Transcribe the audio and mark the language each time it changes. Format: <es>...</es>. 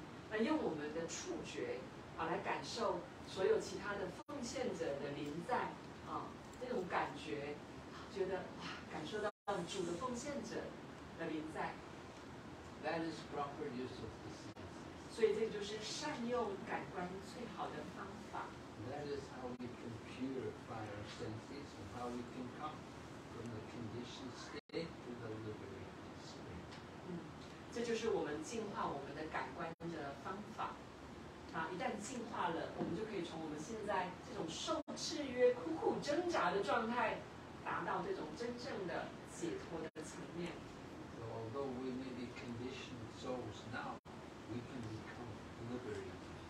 <zh>来用我们的触觉啊，来感受所有其他的奉献者的临在啊，那种感觉，觉得哇，感受到主的奉献者的临在。</zh> <en>That is proper use of the senses.</en> <zh>所以这就是善用感官最好的方法。</zh> <en>That is how we can purify our senses and how we can come from the conditioned state to the liberated state.</en> <zh>嗯，这就是我们净化我们的感官的方法。啊，一旦净化了，我们就可以从我们现在这种受制约、苦苦挣扎的状态，达到这种真正的解脱的层面。</zh> <en>So although we may be conditioned souls now, we can become liberated.</en>